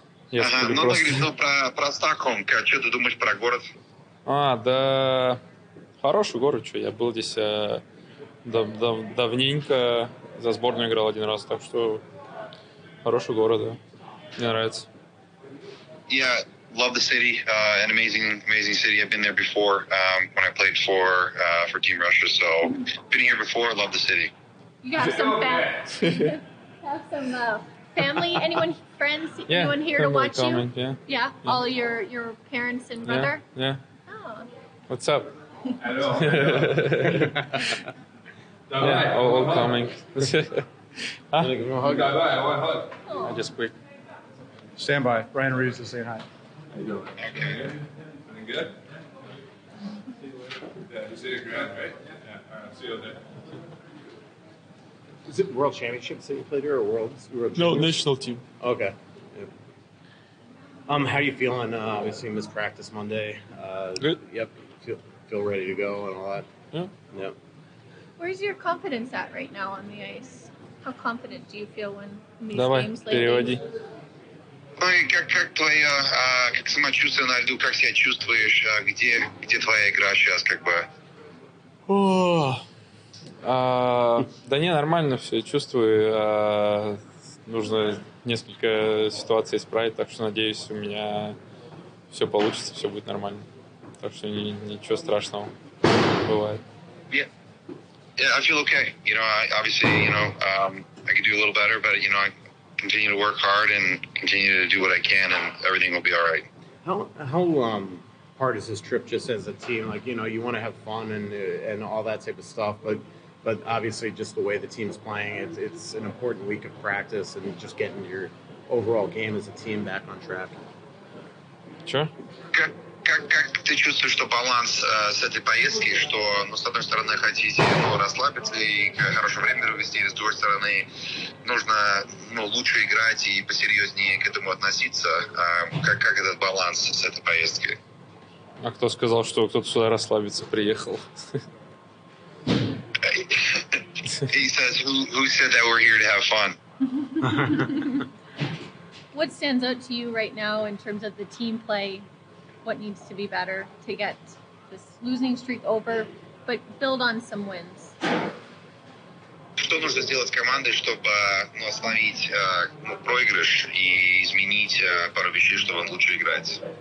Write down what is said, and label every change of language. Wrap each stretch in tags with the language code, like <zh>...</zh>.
<ru>Если ага, ну просто... ты говоришь про Стокгольм, а что ты думаешь про город? А, да, хороший город, что я был здесь давненько, за сборную играл один раз, так что хороший город, да. Мне нравится.</ru> <en>Yeah, love the city, an amazing city. I've been there before, when I played for Team Russia, so been here before, love the city. You got some family, anyone, friends, yeah, anyone here to watch coming, you? Yeah. All your parents and brother? Yeah. Oh. What's up? Hello. Yeah, all coming. Huh? Hug. Bye-bye, I want a hug. Oh. Just quick. Stand by. Brian Reeves is saying hi. How you doing? Everything good? Yeah, you see your grad, right? Yeah. All right, see you all day. Is it World Championships that you played here, or World No, teams? National team. Okay. Yeah. How are you feeling? Obviously, you missed practice Monday. Good. Yep. Feel ready to go and all that. Yeah. Yep. Where's your confidence at right now on the ice? How confident do you feel when these</en> <ru>Давай,</ru> <en>games lately?</en> <ru>Переводи. Ой, как твоя, как самочувствие на льду, как себя чувствуешь, где твоя игра сейчас, как бы? Да не, нормально все, чувствую. Нужно несколько ситуаций исправить, так что надеюсь, у меня все получится, все будет нормально. Так что ничего страшного бывает.</ru> <en>Yeah, I feel okay. You know, I obviously, you know, I can do a little better, but you know, I continue to work hard and continue to do what I can, and everything will be all right. How hard is this trip just as a team? Like, you know, you want to have fun and all that type of stuff, but obviously just the way the team's playing, it's an important week of practice and just getting your overall game as a team back on track. Sure.</en> <ru>Как ты чувствуешь, что баланс с этой поездки, что, ну, с одной стороны, хотите, ну, расслабиться и хорошее время провести, с другой стороны, нужно, ну, лучше играть и посерьезнее к этому относиться. Как этот баланс с этой поездки? А кто сказал, что кто-то сюда расслабиться приехал?</ru> <en>He says, who said that we're here to have fun? What stands out to you right now in terms of the team play? What needs to be better to get this losing streak over, but build on some wins?</en> <ru>Что нужно сделать командой, чтобы, ну, остановить, ну, проигрыш и изменить пару вещей, чтобы он лучше играть?</ru>